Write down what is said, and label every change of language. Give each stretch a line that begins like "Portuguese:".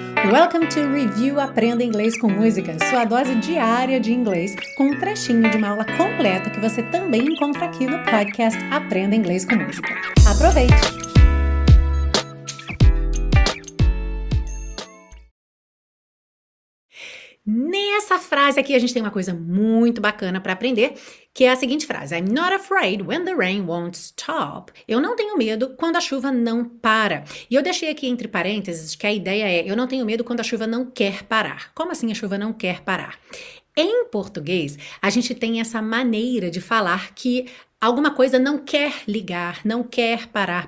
English: Welcome to
Portuguese: Review Aprenda Inglês com Música, sua dose diária de inglês, com um trechinho de uma aula completa que você também encontra aqui no podcast Aprenda Inglês com Música. Aproveite! Nessa frase aqui, a gente tem uma coisa muito bacana para aprender, que é a seguinte frase.
English: I'm not afraid when the rain won't stop.
Portuguese: Eu não tenho medo quando a chuva não para. E eu deixei aqui entre parênteses que a ideia é eu não tenho medo quando a chuva não quer parar. Como assim a chuva não quer parar? Em português, a gente tem essa maneira de falar que alguma coisa não quer ligar, não quer parar.